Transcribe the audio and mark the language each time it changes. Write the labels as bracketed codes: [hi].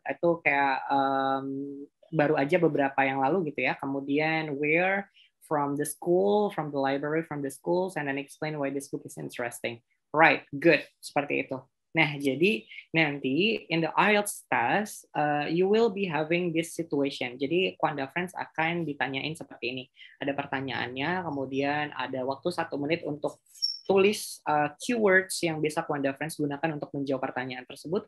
[id] Itu kayak baru aja beberapa yang lalu gitu ya. Kemudian where? [en] From the school, from the library, from the schools, and then explain why this book is interesting. Right, good. [id] Seperti itu. Nah, jadi nanti [en] in the IELTS test, you will be having this situation. [id] Jadi, Kwanda Friends akan ditanyain seperti ini. Ada pertanyaannya, kemudian ada waktu 1 menit untuk tulis keywords yang bisa Kwanda Friends gunakan untuk menjawab pertanyaan tersebut.